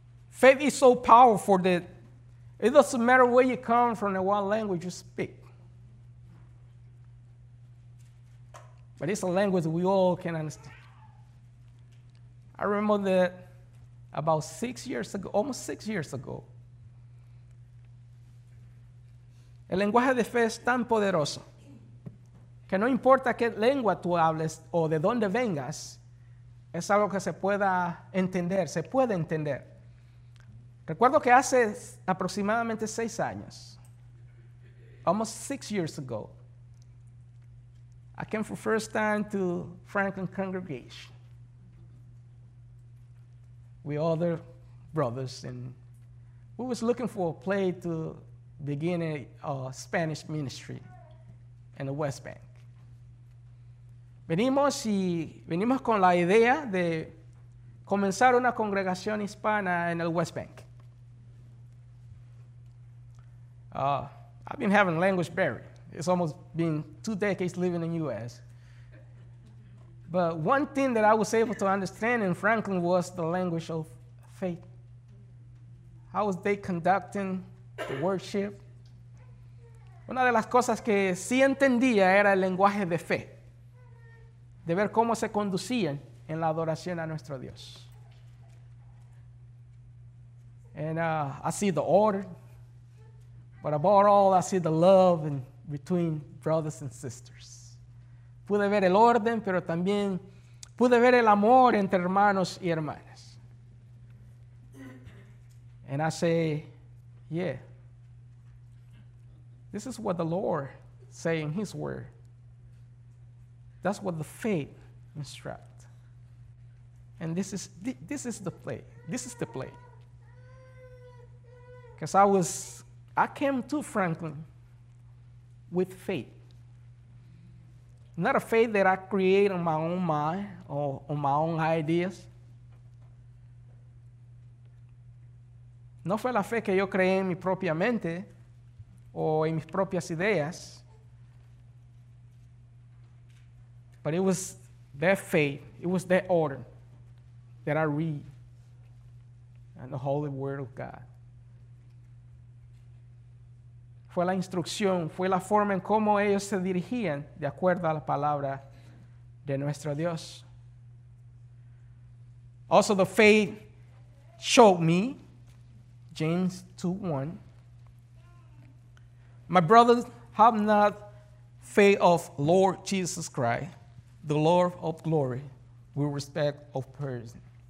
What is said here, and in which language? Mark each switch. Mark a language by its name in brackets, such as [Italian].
[English] Faith is so powerful that it doesn't matter where you come from and what language you speak. But it's a language we all can understand. I remember that about 6 years ago, almost 6 years ago. [Spanish] El lenguaje de fe es tan poderoso que no importa qué lengua tú hables o de dónde vengas, es algo que se pueda entender, se puede entender. Recuerdo que hace aproximadamente 6 años, [English] almost 6 years ago, I came for the first time to Franklin Congregation. We other brothers, and we was looking for a place to begin a Spanish ministry in the West Bank. [Spanish] Venimos con la idea de comenzar una congregación hispana en el West Bank. [English] I've been having language barrier. It's almost been 2 decades living in the U.S. But one thing that I was able to understand in Franklin was the language of faith. How was they conducting the worship? [Spanish] Una de las cosas que sí entendía era el lenguaje de fe, de ver cómo se conducían en la adoración a nuestro Dios. [English] And I see the order, but above all, I see the love in between brothers and sisters. [Spanish] Pude ver el orden, pero también pude ver el amor entre hermanos y hermanas. [English] And I say, yeah, this is what the Lord says in his word. That's what the faith instructs. And this is the play. This is the play. Because I came to Franklin with faith. Not a faith that I create on my own mind or on my own ideas. [Spanish] No fue la fe que yo creé en mi propia mente o en mis propias ideas. [English] But it was that faith, it was that order that I read in the Holy Word of God. [Spanish] Fue la instrucción, fue la forma en cómo ellos se dirigían de acuerdo a la palabra de nuestro Dios. [English] Also, the faith showed me, James 2:1. My brothers, have not faith of Lord Jesus Christ, the Lord of glory, with respect of person.